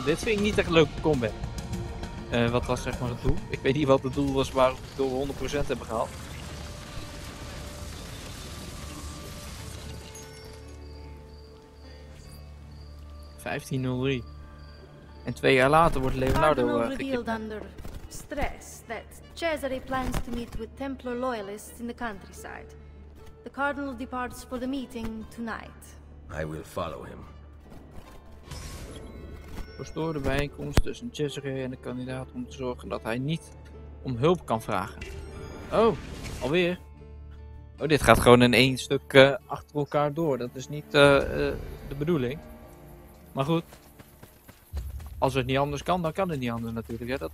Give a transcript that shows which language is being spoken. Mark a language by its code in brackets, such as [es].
[nl] Dit vind ik niet echt leuk combat. Wat was zeg maar het doel? Ik weet niet wat het doel was waar we door 100% hebben gehaald. En 2 jaar later wordt Leonardo [en] revealed under stress that Cesare plans to meet with Templar loyalists in the countryside. The Cardinal departs for the meeting tonight. I will follow him. [nl] Verstoor de bijeenkomst tussen Cesare en de kandidaat om te zorgen dat hij niet om hulp kan vragen. Oh, alweer. Oh, dit gaat gewoon in één stuk achter elkaar door. Dat is niet de bedoeling. Maar goed, als het niet anders kan, dan kan het niet anders natuurlijk.